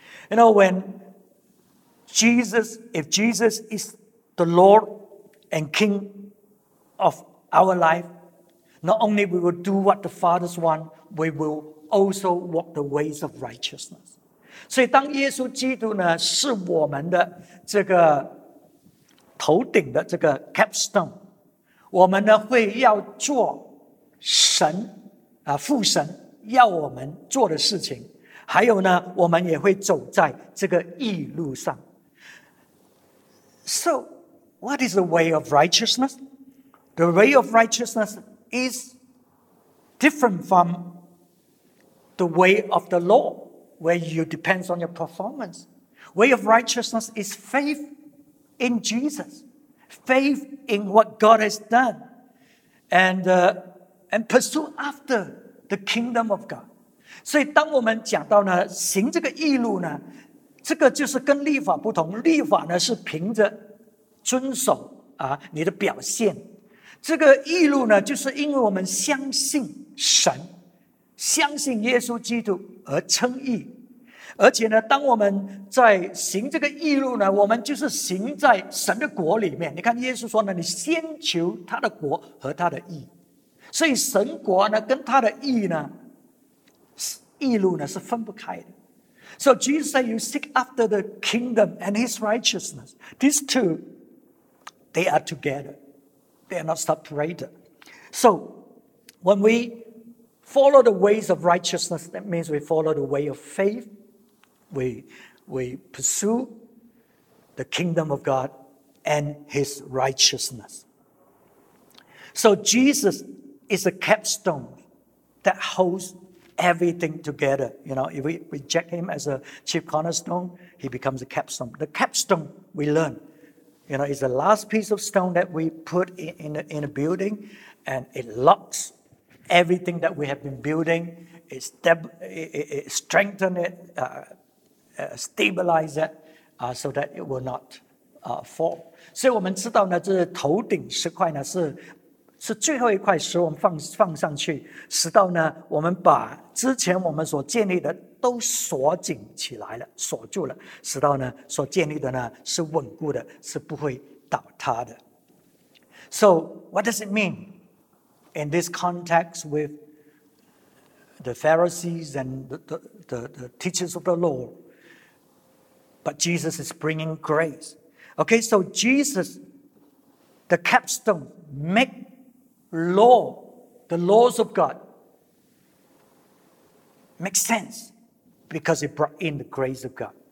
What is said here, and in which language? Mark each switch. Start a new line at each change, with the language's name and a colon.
English: You know, when Jesus is the Lord and King of our life, not only we will do what the Father wants, we will also walk the ways of righteousness.
Chinese: 所以当耶稣基督呢，是我们的这个头顶的这个 capstone,我们呢会要做神啊，父神要我们做的事情，还有呢，我们也会走在这个义路上。
English: So, what is the way of righteousness? The way of righteousness is different from the way of the law, where you depends on your performance. Way of righteousness is faith in Jesus. Faith in what God has done and pursue after the kingdom of God.
Chinese: 所以当我们讲到呢行这个义路呢，这个就是跟律法不同，律法呢是凭着遵守啊你的表现，这个义路呢就是因为我们相信神，相信耶稣基督而称义。而且呢当我们在行这个义路呢，我们就是行在神的国里面。你看耶稣说呢，你先求他的国和他的义。所以神国呢跟他的义呢，义路呢是分不开的。
English: So Jesus said, you seek after the kingdom and his righteousness. These two, they are together. They are not separated. So when we follow the ways of righteousness, that means we follow the way of faith. We pursue the kingdom of God and his righteousness. So Jesus is a capstone that holds everything together. You know, if we reject him as a chief cornerstone, he becomes a capstone. The capstone, we learn, you know, is the last piece of stone that we put in a building, and it locks everything that we have been building. It strengthens it, stabilize it, so that it will not fall.
Chinese: 所以我们知道呢，这头顶石块呢是最后一块石，我们放上去，直到呢我们把之前我们所建立的都锁紧起来了，锁住了，直到呢所建立的呢是稳固的，是不会倒塌的。
English: So what does it mean in this context with the Pharisees and the teachers of the law? But Jesus is bringing grace. Okay, so Jesus, the capstone, make law, the laws of God, make sense because it brought in the grace of God.